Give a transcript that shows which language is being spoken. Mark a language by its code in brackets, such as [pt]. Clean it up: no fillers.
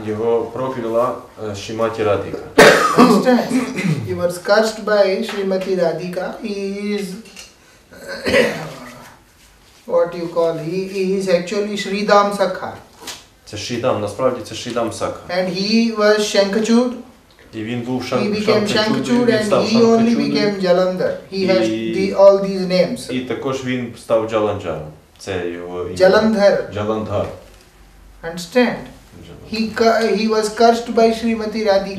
[uk] Його прокляла Шрімати Радіка. [en] Understand? He was cursed by Srimati Radhika. He is, what you call, he is actually Shridham Sakha. [uk] Це Шридам, насправді це Шридам Сакха. [en] And he was Shankachud. [uk] І він був [en] Shankachud, and he only became Jalandhar. He has all these names. [uk] І також він став Jalandhar. Це його ім'я. [en] Jalandhar. Jalandhar. Understand? He was cursed by Srimati Radhika.